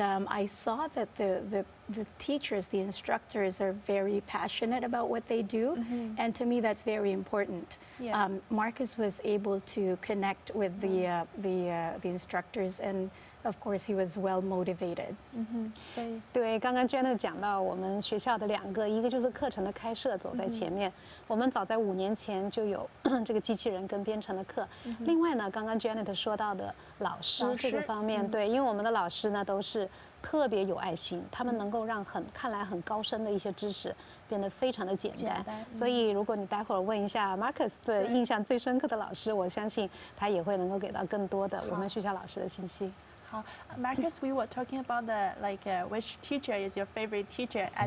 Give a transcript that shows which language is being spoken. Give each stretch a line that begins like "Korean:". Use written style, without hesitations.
English: I saw that the teachers, the instructors are very passionate about what they do. Mm-hmm. And to me, that's very important. Yeah. Marcus was able to connect with mm-hmm. the instructors and of course, he was well motivated.
Chinese: 对，刚刚 Jenna 讲到我们学校的两个，一个就是课程的开设走在前面。我们早在五年前就有这个机器人跟编程的课。另外呢，刚刚 Jenna 说到的老师这个方面，对，因为我们的老师呢都是特别有爱心，他们能够让看来很高深的一些知识变得非常的简单。所以如果你待会儿问一下 Marcus 的印象最深刻的老师，我相信他也会能够给到更多的我们学校老师的信息。
English: Marcus, we were talking about the which teacher is your favorite teacher at